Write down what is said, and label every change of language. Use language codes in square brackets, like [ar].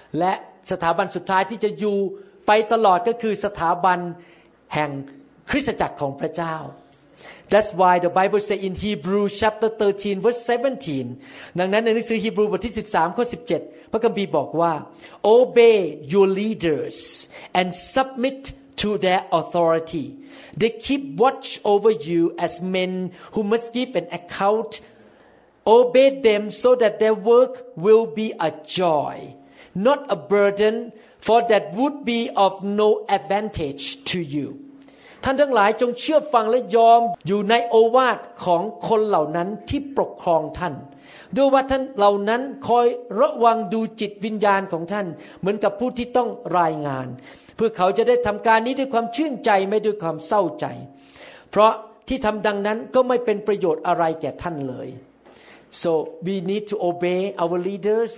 [en] Let [th] สถาบันสุดท้ายที่จะอยู่ไปตลอดก็คือสถาบันแห่งคริสตจักรของพระเจ้า [en] That's why the Bible says in Hebrews chapter 13 verse 17 [th] ดังนั้นในหนังสือฮีบรูบทที่13ข้อ17พระคัมภีร์บอกว่า [en] Obey your leaders and submit to their authority. They keep watch over you as men who must give an account. Obey them so that their work will be a joy. Not a burden, for that would be of no advantage to you. [th] ท่านทั้งหลายจงเชื่อฟังและยอมอยู่ในโอวาทของคนเหล่านั้นที่ปกครองท่านด้วยว่าท่านเหล่านั้นคอยระวังดูจิตวิญญาณของท่านเหมือนกับผู้ที่ต้องรายงานเพื่อเขาจะได้ทำการนี้ด้วยความชื่นใจไม่ด้วยความเศร้าใจเพราะที่ทำดังนั้นก็ไม่เป็นประโยชน์อะไรแก่ท่านเลย [en] So we need to obey our leaders.